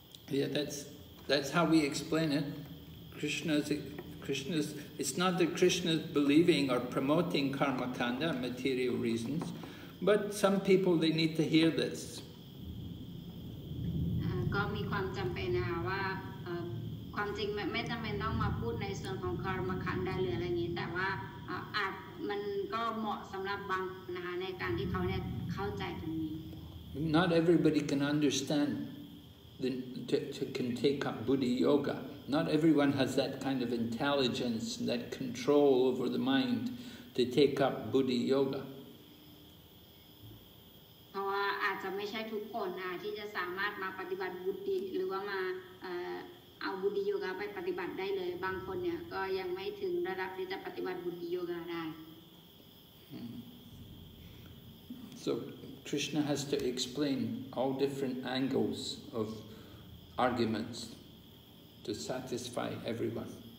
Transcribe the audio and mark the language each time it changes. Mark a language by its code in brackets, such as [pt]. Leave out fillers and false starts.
[en] Yeah, that's how we explain it. Krishna's, it's not that Krishna's believing or promoting karmakanda, material reasons, but some people, they need to hear this. [th] ก็มีความจำเป็นนะคะว่าความจริงไม่จำเป็นต้องมาพูดในส่วนของคาร์มคันดาหรืออะไรอย่างนี้แต่ว่าอาจมันก็เหมาะสำหรับบางนะคะในการที่เขาเนี่ยเข้าใจตรงนี้ [en] Not everybody can understand to can take up Buddha yoga. Not everyone has that kind of intelligence, that control over the mind to take up Buddha yoga. [th] เพราะว่าอาจจะไม่ใช่ทุกคนนะที่จะสามารถมาปฏิบัติบุตรหรือว่ามาเอาบุตรโยคะไปปฏิบัติได้เลยบางคนเนี่ยก็ยังไม่ถึงระดับที่จะปฏิบัติบุตรโยคะได้ [en] So Krishna has to explain all different angles of arguments to satisfy everyone